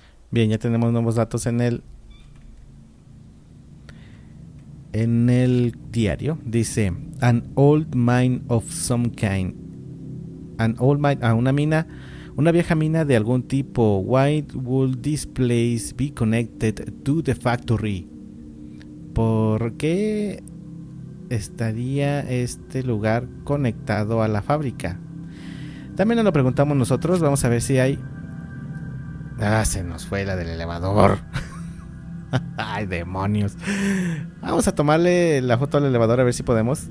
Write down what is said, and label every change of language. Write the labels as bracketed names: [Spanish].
[Spanish] Bien, ya tenemos nuevos datos en el diario. [English] Dice, an old mine of some kind. An old mine, [Spanish] una vieja mina de algún tipo. [English] Why would this place be connected to the factory? [Spanish] ¿Por qué estaría este lugar conectado a la fábrica? También nos lo preguntamos nosotros, vamos a ver si hay... Ah, se nos fue la del elevador. Ay, demonios. Vamos a tomarle la foto al elevador a ver si podemos.